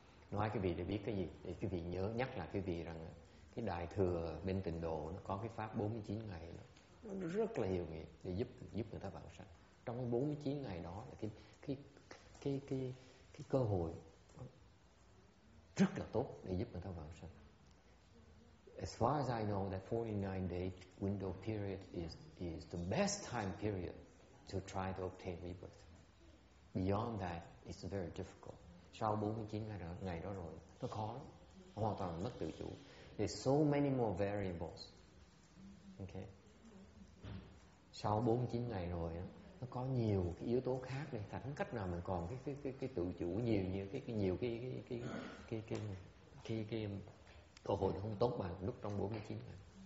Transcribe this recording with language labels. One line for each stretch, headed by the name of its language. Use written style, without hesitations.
Vietnamese: Nói quý vị để biết cái gì, để quý vị nhớ nhắc lại quý vị rằng cái đại thừa bên Tịnh Độ nó có cái pháp 49 ngày đó. Nó rất là hiệu nghiệm để giúp người ta vãng sanh. Trong 49 ngày đó là cái cơ hội rất là tốt để giúp người ta vãng sanh.
English: As far as I know, that 49-day window period is the best time period to try to obtain rebirth. Beyond that, it's very difficult.
Vietnamese: Sau 49 ngày đó rồi, nó khó lắm. Hoàn toàn mất tự chủ.
English: There's so many more variables. Okay.
Vietnamese: Sau 49 ngày rồi nó có nhiều cái yếu tố khác này, thành cách nào mình còn cái tự chủ nhiều cái cơ hội không tốt bằng lúc trong 49 ngày.